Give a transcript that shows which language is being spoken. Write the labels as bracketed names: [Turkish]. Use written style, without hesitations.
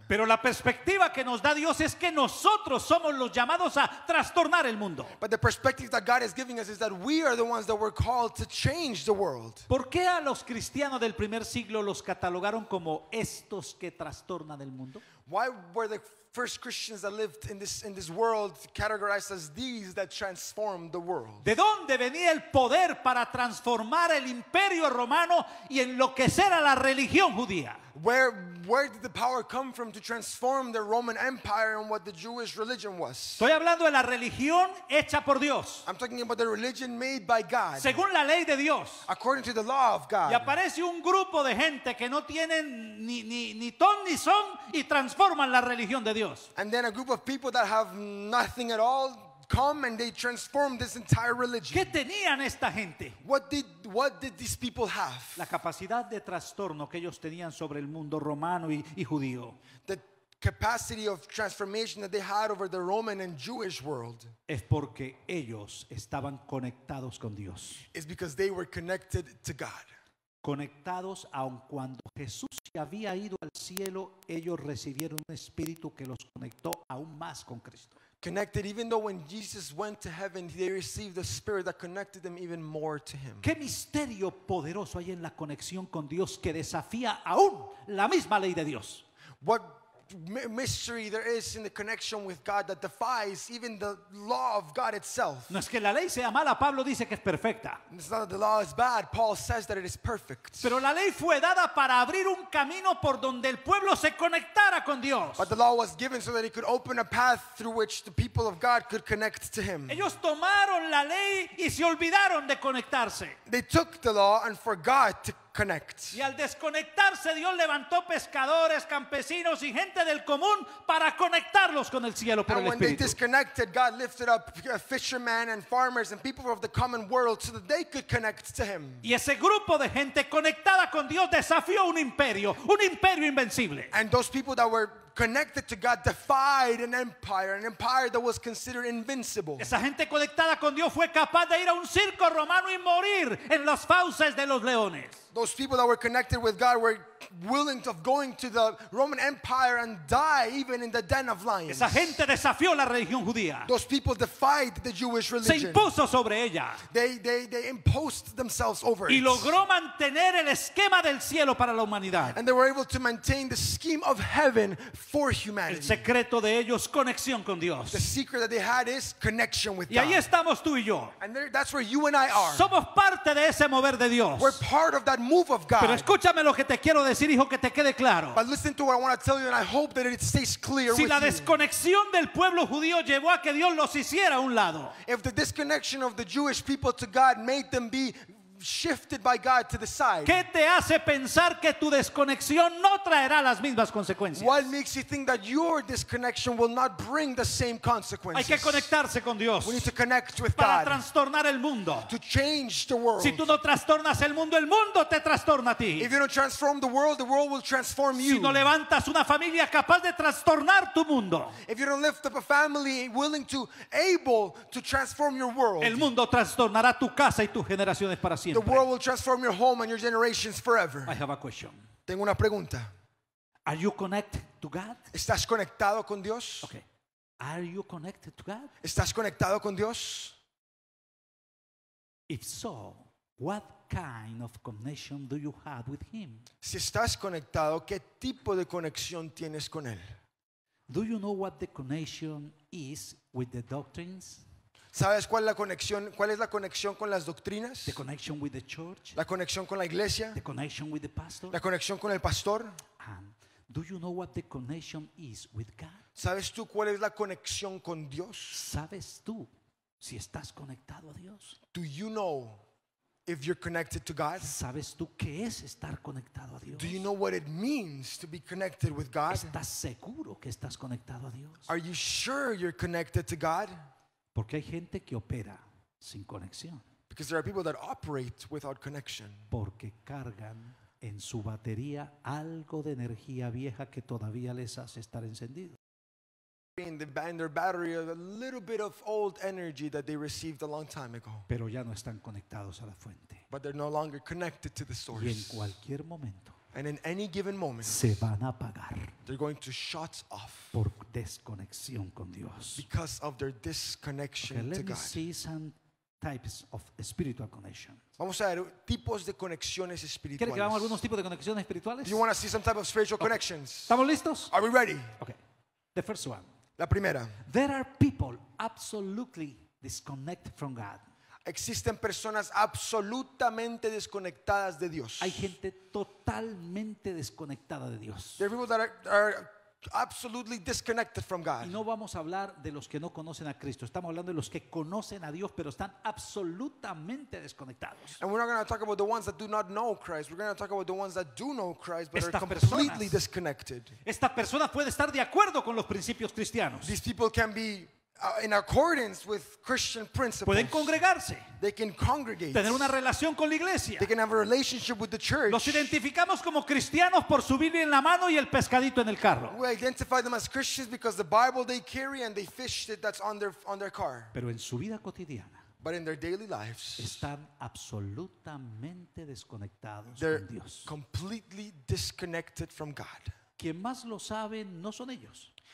[Spanish] Pero la perspectiva que nos da Dios es que nosotros somos los llamados a trastornar el mundo. [English] But the perspective that God is giving us is that we are the ones that were called to change the world. [Spanish] ¿Por qué a los cristianos del primer siglo los catalogaron como estos que trastornan el mundo? [English] Why were the first Christians that lived in this world categorized as these that transformed the world? [Spanish] ¿De dónde venía el poder para transformar el imperio romano y enloquecer a la religión judía? [English] Where did the power come from to transform the Roman Empire and what the Jewish religion was? [Spanish] Estoy hablando de la religión hecha por Dios. [English] I'm talking about the religion made by God. [Spanish] Según la ley de Dios. [English] According to the law of God. [Spanish] Y aparece un grupo de gente que no tienen ni ton ni son y transforman la religión de Dios. [English] And then a group of people that have nothing at all come and they transform this entire religion. [Spanish] ¿Qué tenían esta gente? [English] What did these people have? [Spanish] La capacidad de trastorno que ellos tenían sobre el mundo romano y judío. [English] The capacity of transformation that they had over the Roman and Jewish world. [Spanish] Es porque ellos estaban conectados con Dios. [English] It's because they were connected to God. [Spanish] Conectados aun cuando Jesús se había ido al cielo, ellos recibieron un espíritu que los conectó aún más con Cristo. [English] Connected, even though when Jesus went to heaven, they received a spirit that connected them even more to him. [Spanish] ¿Qué misterio poderoso hay en la conexión con Dios que desafía aún la misma ley de Dios? [English] What mystery there is in the connection with God that defies even the law of God itself. [Spanish] No es que la ley sea mala, Pablo dice que es perfecta. [English] It's not that the law is bad, Paul says that it is perfect. [Spanish] Pero la ley fue dada para abrir un camino por donde el pueblo se conectara con Dios. [English] But the law was given so that it could open a path through which the people of God could connect to him. [Spanish] Ellos tomaron la ley y se olvidaron de conectarse. [English] They took the law and forgot to connect. [Spanish] Y al desconectarse, Dios levantó pescadores, campesinos y gente del común para conectarlos con el cielo por el Espíritu. [English] And when they disconnected, God lifted up fishermen and farmers and people of the common world so that they could connect to him. [Spanish] Y ese grupo de gente conectada con Dios desafió un imperio invencible. [English] And those people that were connected to God defied an empire that was considered invincible. [Spanish] Esa gente conectada con Dios fue capaz de ir a un circo romano y morir en las fauces de los leones. [English] Those people that were connected with God were willing to going to the Roman Empire and die even in the den of lions. [Spanish] Esa gente desafió la religión judía. [English] Those people defied the Jewish religion. [Spanish] Se impuso sobre ella. [English] They imposed themselves over it. [Spanish] Y logró mantener el esquema del cielo para la humanidad. [English] And they were able to maintain the scheme of heaven for humanity. [Spanish] El secreto de ellos, conexión con Dios. [English] The secret that they had is connection with God. [Spanish] Y ahí estamos tú y yo. [English] And that's where you and I are. [Spanish] Somos parte de ese mover de Dios. [English] We're part of that move of God. [Spanish] Pero escúchame lo que te quiero decir, hijo, que te quede claro. [English] But listen to what I want to tell you, and I hope that it stays clear. [Spanish] Si la desconexión del pueblo judío llevó a que Dios los hiciera a un lado. [English] If the disconnection of the Jewish people to God made them be shifted by God to the side. [Spanish] ¿Qué te hace pensar que tu desconexión no traerá las mismas consecuencias? [English] What makes you think that your disconnection will not bring the same consequences? [Spanish] Hay que conectarse con Dios. [English] We need to connect with [Spanish] para Para trastornar el mundo. [English] To change the world. [Spanish] Si tú no trastornas el mundo te trastorna a ti. [English] If you don't transform the world will transform you. [Spanish] Si no levantas una familia capaz de trastornar tu mundo. [English] If you don't lift up a family willing to able to transform your world. [Spanish] El mundo trastornará tu casa y tus generaciones para [English] the world will transform your home and your generations forever. I have a question. [Spanish] Tengo una pregunta. [English] Are you connected to God? [Spanish] ¿Estás conectado con Dios? [English] Okay. Are you connected to God? [Spanish] ¿Estás conectado con Dios? [English] If so, what kind of connection do you have with Him? [Spanish] Si estás conectado, ¿qué tipo de conexión tienes con Él? [English] Do you know what the connection is with the doctrines? [Spanish] ¿Sabes cuál es la conexión? ¿Cuál es la conexión con las doctrinas? [English] The connection with the church. [Spanish] La conexión con la iglesia. [English] The connection with the pastor. [Spanish] La conexión con el pastor. [English] And do you know what the connection is with God? [Spanish] ¿Sabes tú cuál es la conexión con Dios? ¿Sabes tú si estás conectado a Dios? [English] Do you know if you're connected to God? [Spanish] ¿Sabes tú qué es estar conectado a Dios? [English] Do you know what it means to be connected with God? [Spanish] ¿Estás seguro que estás conectado a Dios? [English] Are you sure you're connected to God? [Spanish] Porque hay gente que opera sin conexión. [English] Because there are people that operate without connection. [Spanish] Porque cargan en su batería algo de energía vieja que todavía les hace estar encendido. [English] In their battery a little bit of old energy that they received a long time ago. [Spanish] Pero ya no están conectados a la fuente. [English] But they're no longer connected to the source. [Spanish] Y en cualquier momento. [English] And in any given moment, [Spanish] se van a apagar. [English] They're going to shut off [Spanish] por desconexión con Dios. [English] Because of their disconnection okay, to God. Let me see some types of spiritual connections. [Spanish] Vamos a ver tipos de conexiones espirituales. ¿Quieres que veamos algunos tipos de conexiones espirituales? [English] Do you want to see some type of spiritual okay. connections? [Spanish] ¿Estamos listos? [English] Are we ready? Okay. The first one. [Spanish] La primera. [English] There are people absolutely disconnected from God. [Spanish] Existen personas absolutamente desconectadas de Dios. Hay gente totalmente desconectada de Dios. [English] There are people that are absolutely disconnected from God. [Spanish] Y no vamos a hablar de los que no conocen a Cristo. Estamos hablando de los que conocen a Dios, pero están absolutamente desconectados. [English] And we're not going to talk about the ones that do not know Christ. We're going to talk about the ones that do know Christ, but [Spanish] estas [English] are completely [Spanish] personas, [English] disconnected. [Spanish] Esta persona puede estar de acuerdo con los principios cristianos. [English] These people can be in accordance with Christian principles. [Spanish] Pueden congregarse. [English] They can congregate. [Spanish] Tener una relación con la iglesia. [English] They can have a relationship with the church. [Spanish] Los identificamos como cristianos por su Biblia en la mano y el pescadito en el carro. [English] We identify them as Christians because the Bible they carry and they fish that's on their car. [Spanish] Pero en su vida cotidiana. [English] But in their daily lives, [Spanish] están absolutamente desconectados con [English] They're completely disconnected from God. [Spanish] Quien más lo sabe no son ellos.